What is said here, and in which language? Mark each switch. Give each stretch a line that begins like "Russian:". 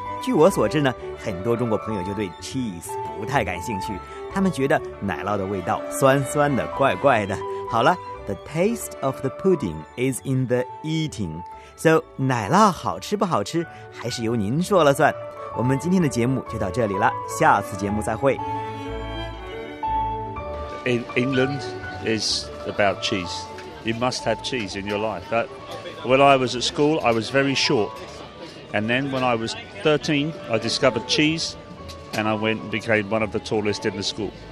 Chinese: 据我所知呢，很多中国朋友就对 cheese 不太感兴趣，他们觉得奶酪的味道酸酸的怪怪的。好了，
English: the taste of the pudding is in the eating.
Chinese: So, 奶酪好吃不好吃还是由您说了算。我们今天的节目就到这里了，下次节目再会。
English: In England is about cheese. You must have cheese in your life. But when I was at school, I was very short. And then when I was 13, I discovered cheese and I went and became one of the tallest in the school.